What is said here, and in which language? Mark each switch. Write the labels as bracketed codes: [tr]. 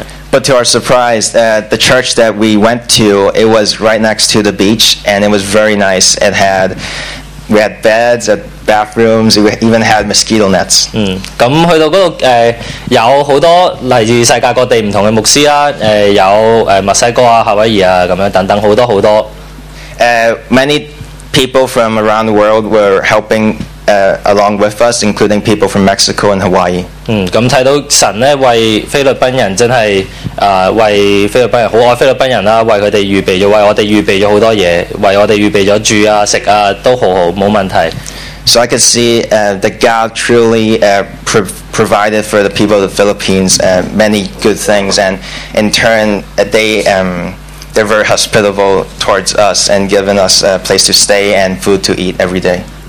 [en] But to our surprise, the church that we went to, it was right next to the beach, and it was very nice. It had, we had beds, bathrooms, we even had mosquito nets. [zh] 去到那裡有很多來自世界各地不同的牧師，有墨西哥、夏威夷等等很多很多。 [en] Many people from around the world were helping along with us, including people from Mexico and Hawaii. [zh] 看到神真的為菲律賓人，很愛菲律賓人，為他們預備了很多東西，為我們預備了住、食，都好，沒問題。 [en] So I could see that God truly provided for the people of the Philippines many good things, and in turn, they're very hospitable towards us and giving us a place to stay and food to eat every day.